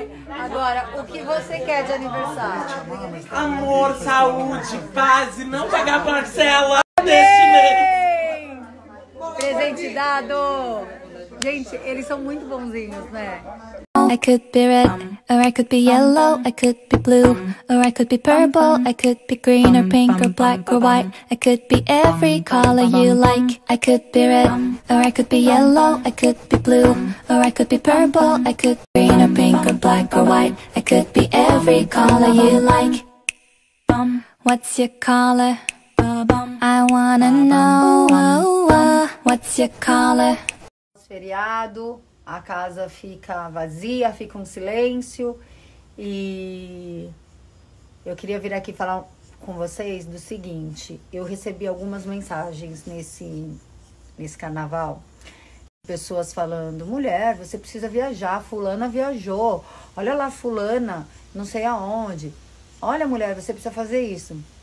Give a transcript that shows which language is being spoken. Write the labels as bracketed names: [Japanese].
[Portuguese] Agora, o que você quer de aniversário? Amor, saúde, paz e não pagar parcela deste mês. Presente dado. Gente, eles são muito bonzinhos, né? [English] I could be red, or I could be yellow, I could be blue, or I could be purple, I could be green, or pink, or black, or white, I could be every color you like. I could be red, or I could be yellow, I could be blue, or I could be purple, I could be green, or pink, or black, or white, I could be every color you like. What's your color? I wanna know. What's your color? [Portuguese] Feriado. A casa fica vazia, fica um silêncio e eu queria vir aqui falar com vocês do seguinte. Eu recebi algumas mensagens nesse carnaval, pessoas falando, mulher, você precisa viajar, fulana viajou, olha lá fulana, não sei aonde, olha mulher, você precisa fazer isso.